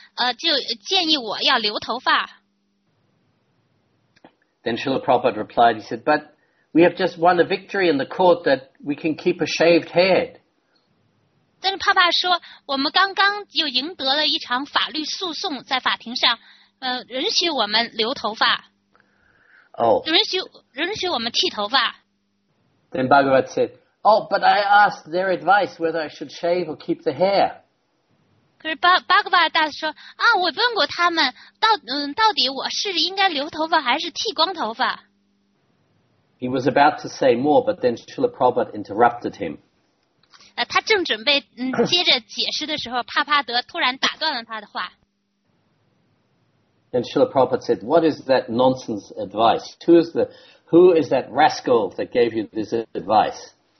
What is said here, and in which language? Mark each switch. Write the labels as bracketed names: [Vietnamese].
[Chinese] 巴格瓦特就说，因为他们有人建议我去欧洲，那么在欧洲呢，就建议我要留头发。 [English] Then Srila Prabhupada replied, he said, "But we have just won a victory in the court that we can keep a shaved head." [Chinese] 但是帕帕说，我们刚刚又赢得了一场法律诉讼，在法庭上，允许我们留头发。 [English] Oh. [Chinese] 允许我们剃头发。 [English] Then Bhagavat said, "Oh, but I asked their advice whether I should shave or keep the hair." [Chinese] 可是巴格瓦大师说，我问过他们，到底我是应该留头发还是剃光头发。 [English] He was about to say more, but then Srila Prabhupada interrupted him. [Chinese] 他正准备接着解释的时候，帕帕德突然打断了他的话。 [English] Then Srila Prabhupada said, "What is that nonsense advice? Who is that rascal that gave you this advice?"